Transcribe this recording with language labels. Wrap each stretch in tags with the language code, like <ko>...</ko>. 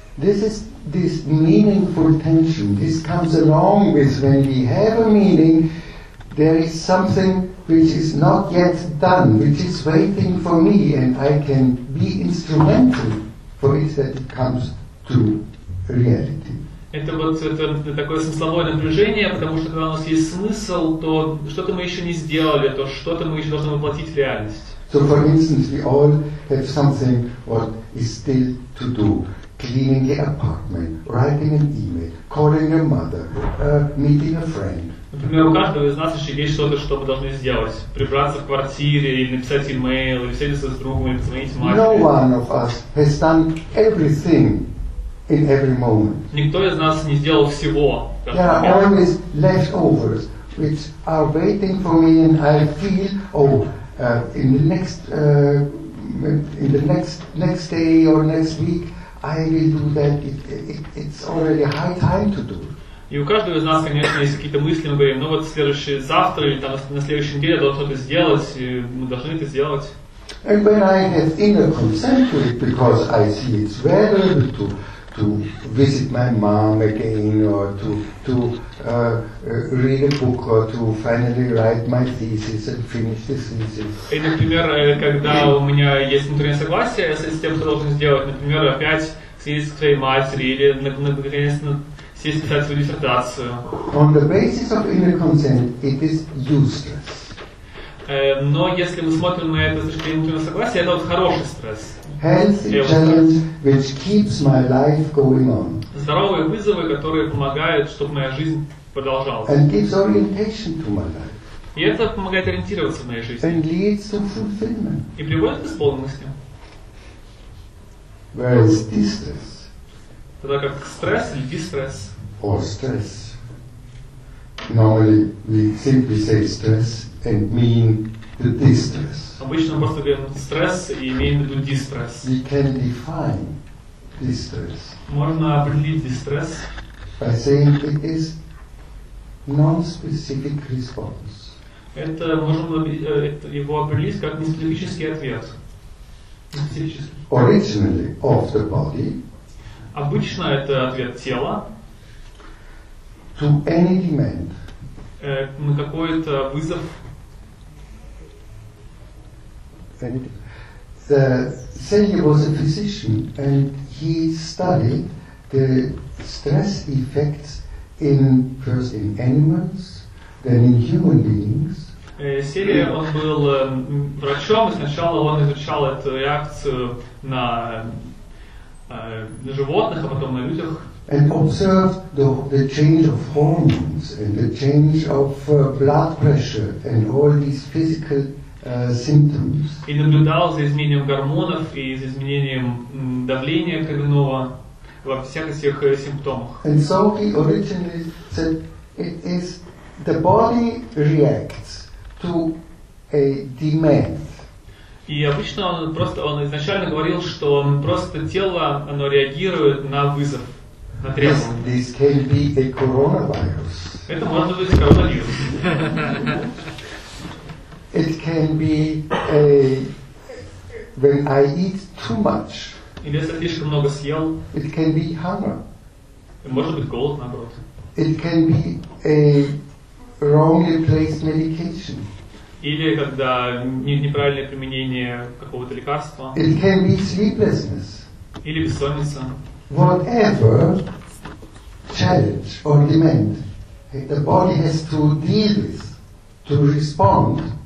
<en>This meaningful tension. This comes along with when we have a meaning, there is something which is not yet done, which is waiting for me, and I can be instrumental for it that it comes to reality.</en> <ru>Это вот это такое смысловое напряжение, потому что когда у нас есть смысл, то что-то мы еще не сделали, то что-то мы еще должны воплотить в реальность.</ru> <en>So, for instance, we all have something what is still to do. Cleaning the apartment, writing an email, calling your mother, meeting a friend.</en> <ru>Например, у каждого из нас еще есть что-то, что мы должны сделать. Прибраться в квартире, или написать email, или встретиться с другом, или позвонить матери.</ru> <en>No one of us has done everything in every moment.</en> <ru>Никто из нас не сделал всего.</ru> <en>There are always leftovers, which are waiting for me, and I feel, in the next day or next week, I will do that. It's already high time to do.</en> <ru>И у каждого из нас, конечно, есть какие-то мысли, мы говорим, ну вот следующий завтра или там на следующей неделе должен что-то сделать, и мы должны это сделать.</ru> <en>And when I have inner consent to it, because I see it's valuable to visit my mom again or to read a book or to finally write my thesis and finish the thesis.</en> <ru>И, например, когда у меня есть внутреннее согласие с тем, что должен сделать, например, опять съездить к своей матери или наконец съездить писать свою диссертацию.</ru> <en>On the basis of inner consent, it is useless.</en> <ru>Но если мы смотрим на это с точки зрения внутреннего согласия, это вот хороший стресс.</ru> <en>Healthy challenge which keeps my life going on.</en> <ru>Здоровые вызовы, которые помогают, чтобы моя жизнь продолжалась.</ru> <en>And gives orientation to my life.</en> <ru>И это помогает ориентироваться в моей жизни.</ru> <en>And leads to fulfillment.</en> <ru>И приводит к исполненности.</ru> <en>Whereas distress.</en> <ru>Тогда как стресс или дистресс.</ru> <en>Or stress. Normally we simply say stress and mean the distress.</en> <ru>Обычно мы просто говорим стресс и имеем в виду дистресс.</ru> <en>We can define distress.</en> <ru>Можно определить дистресс.</ru> <en>By saying it is non-specific response.</en> <ru>Это можно его определить как неспецифический ответ.</ru> <en>Originally of the body.</en> <ru>Обычно это ответ тела.</ru> <en>To any demand.</en> <ru>На какой-то вызов.</ru> <en>Сенье was a physician, and he studied the stress effects first in animals, then in human beings.</en> <ru>Сенье он был врачом, и сначала он изучал эту реакцию на животных, а потом на людях.</ru> <en>And observed the change of hormones and the change of blood pressure and all these physical. Symptoms.</en> <ru>И наблюдал за изменением гормонов и за изменением давления кровяного во всех этих симптомах.</ru> <en>And so he originally said it is the body reacts to a demand.</en> <ru>И обычно он изначально говорил, что просто тело оно реагирует на вызов, на требование.</ru> <en>Yes, this can be a coronavirus.</en> <ru>Это может быть коронавирус.</ru> <en>It can be a when I eat too much.</en> <ru>Если я слишком много съел.</ru> <en>It can be hunger.</en> <ru>Может быть, голод, наоборот.</ru> <en>It can be a wrongly placed medication.</en> <ru>Или когда неправильное применение какого-то лекарства.</ru> <en>It can be sleeplessness.</en> <ru>Или бессонница.</ru> <en>Whatever challenge or demand the body has to deal with, to respond.</en>